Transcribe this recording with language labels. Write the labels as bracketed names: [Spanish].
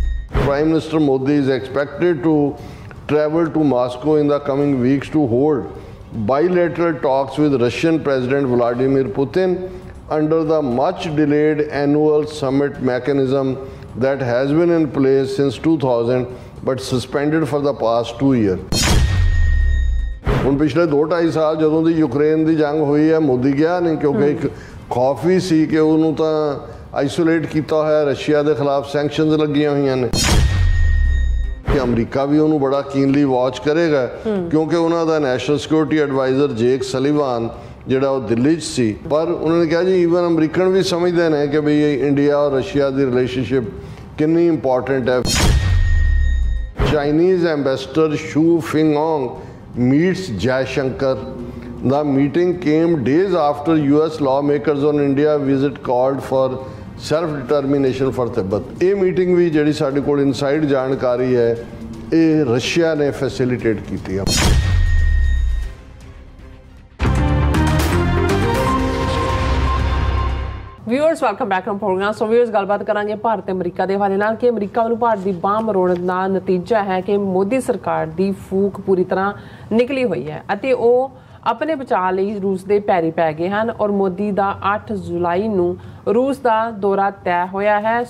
[English] Prime Minister Modi is expected to travel to Moscow in the coming weeks to hold bilateral talks with Russian President Vladimir Putin under the much delayed annual summit mechanism that has been in place since 2000 but suspended for the past 2 years. [Punjabi] ਹੁਣ ਪਿਛਲੇ 2-2.5 ਸਾਲ ਜਦੋਂ ਦੀ Ukraine ਦੀ ਜੰਗ ਹੋਈ ਹੈ ਮੋਦੀ ਗਿਆ ਨਹੀਂ ਕਿਉਂਕਿ ਇੱਕ ਖੌਫ ਹੀ ਸੀ ਕਿ ਉਹਨੂੰ ਤਾਂ ਆਈਸੋਲੇਟ ਕੀਤਾ ਹੋਇਆ ਰਸ਼ੀਆ ਦੇ ਖਿਲਾਫ ਸੈਂਕਸ਼ਨਸ ਲੱਗੀਆਂ ਹੋਈਆਂ ਨੇ ਕਿ ਅਮਰੀਕਾ ਵੀ ਉਹਨੂੰ ਬੜਾ ਕੀਨਲੀ ਵਾਚ ਕਰੇਗਾ ਕਿਉਂਕਿ ਉਹਨਾਂ ਦਾ ਨੈਸ਼ਨਲ ਸਿਕਿਉਰਿਟੀ ਐਡਵਾਈਜ਼ਰ ਜੇਕ ਸਲੀਵਾਨ ਜਿਹੜਾ ਉਹ ਦਿੱਲੀ 'ਚ ਸੀ ਪਰ ਉਹਨਾਂ ਨੇ ਕਿਹਾ ਜੀ ਈਵਨ ਅਮਰੀਕਨ ਵੀ ਸਮਝਦੇ ਨੇ ਕਿ ਬਈ ਇੰਡੀਆ ਔਰ ਰਸ਼ੀਆ ਦੀ ਰਿਲੇਸ਼ਨਸ਼ਿਪ ਕਿੰਨੀ ਇੰਪੋਰਟੈਂਟ ਹੈ Chinese ambassador shoe ਫਿੰਗੋਂਗ meets Jai Shankar. [English] The meeting came days after US lawmakers on India visit called for self-determination for Tibet. [Punjabi] ਇਹ ਮੀਟਿੰਗ ਵੀ ਜਿਹੜੀ ਸਾਡੇ ਕੋਲ ਇਨਸਾਈਡ ਜਾਣਕਾਰੀ ਹੈ ਇਹ ਰਸ਼ੀਆ ਨੇ ਫੈਸਿਲੀਟੇਟ ਕੀਤੀ ਹੈ। Viewers welcome back to programme. So viewers ਗੱਲਬਾਤ ਕਰਾਂਗੇ ਭਾਰਤ ਅਮਰੀਕਾ ਦੇ ਹਵਾਲੇ ਨਾਲ ਕਿ ਅਮਰੀਕਾ ਵੱਲੋਂ ਭਾਰਤ ਦੀ ਬਾਂਹ ਮਰੋੜਨ ਦਾ ਨਤੀਜਾ ਹੈ ਕਿ ਮੋਦੀ ਸਰਕਾਰ ਦੀ ਫੂਕ ਪੂਰੀ ਤਰ੍ਹਾਂ ਨਿਕਲੀ ਹੋਈ ਹੈ ਅਤੇ ਉਹ ਆਪਣੇ ਬਚਾਅ ਲਈ ਰੂਸ ਦੇ ਪੈਰੀ ਪੈ ਗਏ ਹਨ ਔਰ ਮੋਦੀ ਦਾ 8 ਜੁਲਾਈ ਨੂੰ ਰੂਸ ਦਾ ਦੌਰਾ ਤੈਅ ਹੋਇਆ ਹੈ।